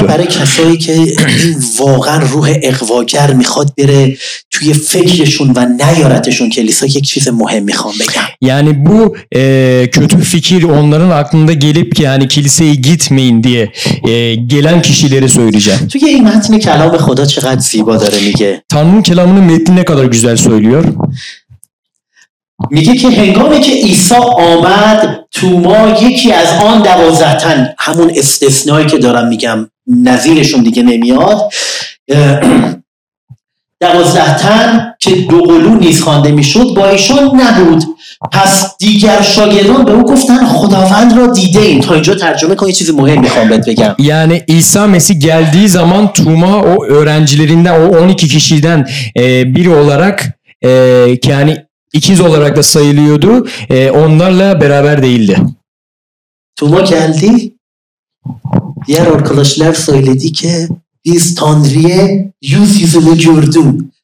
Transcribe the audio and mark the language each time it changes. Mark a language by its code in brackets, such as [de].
[fa] برای کسایی که واقعا روح اقواگر میخواد بره توی فکرشون و نیارتشون کلیسا یک چیز مهم میخوام بگم. [tr] Yani bu kötü fikir onların aklında gelip ki yani kiliseye gitmeyin diye gelen kişilere söyleyeceğim. [fa] توی این متن کلام خدا چقدر زیبا داره میگه. [tr] Tanrı'nın kelamını metni ne kadar güzel söylüyor. [fa] میگه که هنگامی که عیسی آمد توما یکی از آن 12 تن، همون استثنایی که دارم میگم نظیرشون دیگه نمیاد، 12 تن که دوقلو نیز خوانده میشد با ایشون نبود. پس دیگر شاگردان به او گفتن خداوند را دیده ایم. تا اینجا ترجمه کن، یه چیز مهم میخوام بهت بگم. [tr] یعنی عیسی مسیح گلدی زمان توما او öğrencilerinden او 12 kişiden biri olarak yani İkiz olarak da sayılıyordu. Onlarla beraber değildi. Tuma geldi. Diğer arkadaşlar söyledi ki biz Tanrı'ya yüz yüzünü gördüm.